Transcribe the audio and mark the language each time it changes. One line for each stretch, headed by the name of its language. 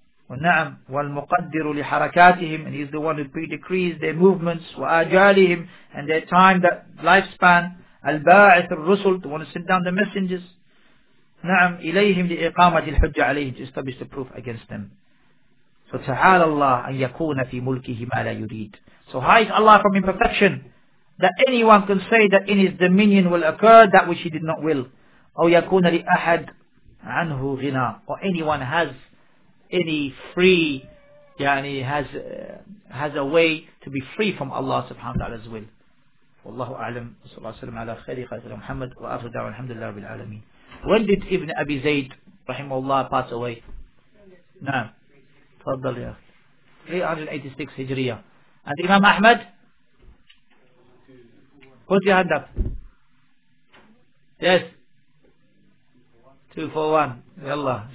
Arabic: وَنَعَمْ وَالْمُقَدِّرُ لِحَرَكَاتِهِمْ.
English: And He is the one who pre-decrees their movements, وَآجَالِهِمْ, and their time, that lifespan.
Arabic: الْبَاعِثُ الرُّسُلُ,
English: the one who sent down the messengers.
Arabic: نعم إليهم لإقامة الحجة عليهم,
English: to establish the proof against them.
Arabic: So تعالى الله أن يكون في ملكه ما لا يريد.
English: So hides Allah from imperfection, that anyone can say that in his dominion will occur that which he did not will.
Arabic: أو يكون لأحد عنه غنى.
English: Or anyone has any free, يعني has a way to be free from Allah subhanahu wa ta'ala's will.
Arabic: والله أعلم. صلى الله عليه وسلم على خير خير محمد وآخر دعوة الحمد لله رب العالمين.
English: When did Ibn Abi Zayd رحمه الله pass away?
Arabic: نعم تفضل يا أخي. 386 هجرية.
English: And Imam Ahmad, put your hand up. Yes, 241. يلا.